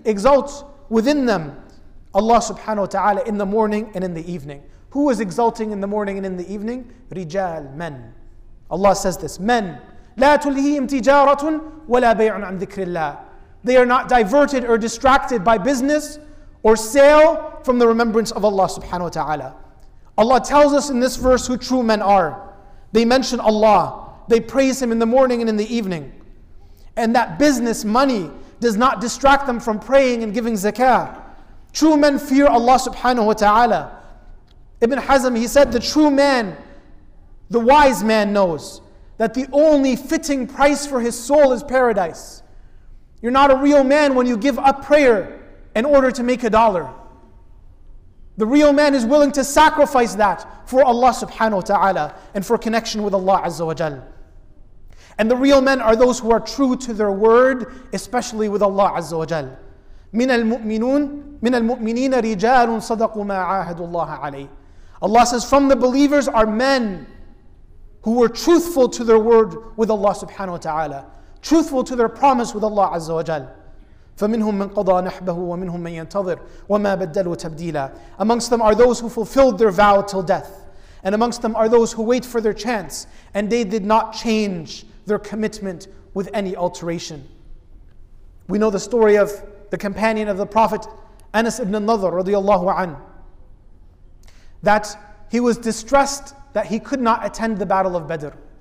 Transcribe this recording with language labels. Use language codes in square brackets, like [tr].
[en] They exult within them Allah subhanahu wa ta'ala in the morning and in the evening. Who is exulting in the morning and in the evening? Rijal, men. Allah says this, men. [ar] لا تلهيهم تجارة ولا بيع عن ذكر الله. [en] They are not diverted or distracted by business or sale from the remembrance of Allah subhanahu wa ta'ala. Allah tells us in this verse who true men are. They mention Allah. They praise Him in the morning and in the evening. And that business, money, does not distract them from praying and giving zakah. True men fear Allah subhanahu wa ta'ala. Ibn Hazm, he said, the true man, the wise man knows that the only fitting price for his soul is paradise. You're not a real man when you give up prayer in order to make a dollar. The real man is willing to sacrifice that for Allah subhanahu wa ta'ala and for connection with Allah azza wa jal. And the real men are those who are true to their word, especially with Allah azza wa jal. [ar] من المؤمنين رجال صدقوا ما عاهدوا الله عليه. [en] Allah says, from the believers are men who were truthful to their word with Allah subhanahu wa ta'ala, truthful to their promise with Allah azza wa jal. [ar] فمنهم من قضى نحبه ومنهم من ينتظر وما بدلوا تبديلا. [en] Amongst them are those who fulfilled their vow till death, and amongst them are those who wait for their chance, and they did not change their commitment with any alteration. We know the story of the companion of the Prophet Anas ibn Nadhr radiallahu an, that he was distressed that he could not attend the Battle of Badr.